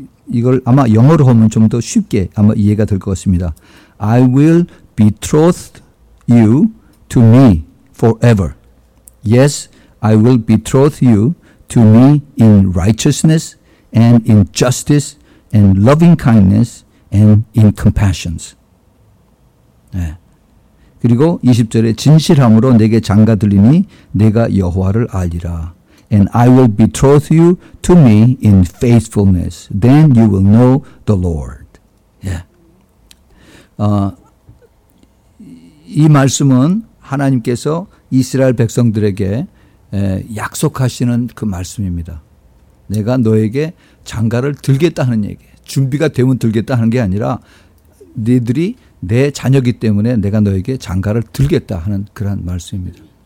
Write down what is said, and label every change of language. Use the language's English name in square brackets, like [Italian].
[Korean] 이걸 아마 영어로 하면 좀 더 쉽게 아마 이해가 될 것 같습니다. [English] I will betroth you to me forever. Yes, I will betroth you to me in righteousness and in justice and loving kindness and in compassions. [Korean] 네. 그리고 20절에 진실함으로 내게 장가 들리니 내가 여호와를 알리라. [English] And I will betroth you to me in faithfulness. Then you will know the Lord. [Korean] 이 말씀은 하나님께서 이스라엘 백성들에게 약속하시는 그 말씀입니다. 내가 너에게 장가를 들겠다는 얘기, 준비가 되면 들겠다는 게 아니라 너희들이 내 자녀이기 때문에 내가 너에게 장가를 들겠다는 그런 말씀입니다.